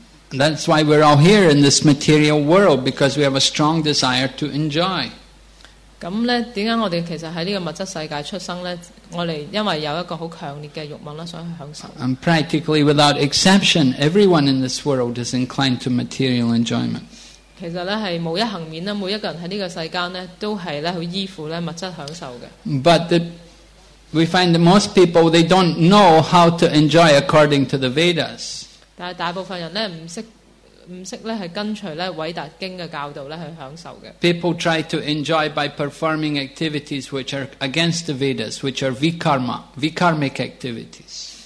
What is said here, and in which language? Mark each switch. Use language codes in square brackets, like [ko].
[en] That's why we're all here in this material world because we have a strong desire to enjoy. [yue] 咁咧，点解我哋其实喺呢个物质世界出生咧？我哋因为有一个好强烈嘅欲望咧，想去享受。 [en] And practically without exception, everyone in this world is inclined to material enjoyment. [yue] 其实咧系无一幸免啦，每一个人喺呢个世间咧都系咧好依附咧物质享受嘅。 [en] But we find that most people they don't know how to enjoy according to the Vedas. [yue] 但系大部分人咧唔識咧係跟隨咧偉達經嘅教導咧去享受嘅。 [en] People try to enjoy by performing activities which are against the Vedas, which are vikarmic activities.